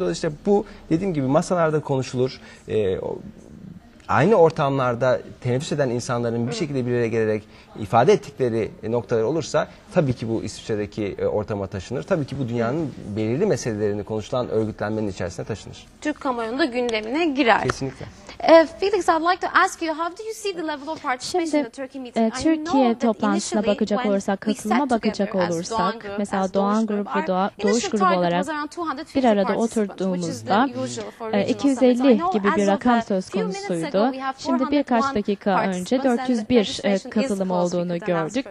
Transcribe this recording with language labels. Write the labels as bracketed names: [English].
[Turkish] Dolayısıyla bu dediğim gibi masalarda konuşulur. Aynı ortamlarda teneffüs eden insanların bir şekilde bir araya gelerek ifade ettikleri noktalar olursa tabii ki bu İsviçre'deki ortama taşınır. Tabii ki bu dünyanın belirli meselelerini konuşulan örgütlenmenin içerisine taşınır. Türk kamuoyunda gündemine girer. Kesinlikle. [English] Felix, I'd like to ask you, how do you see the level of participation in the Turkey meeting? [Turkish] Şimdi Türkiye toplantısına bakacak olursak, katılıma bakacak olursak, mesela Doğan Grup ve Doğuş Grubu olarak bir arada oturduğumuzda 250 gibi bir rakam söz konusuydu. Şimdi birkaç dakika önce 401 katılım olduğunu gördük.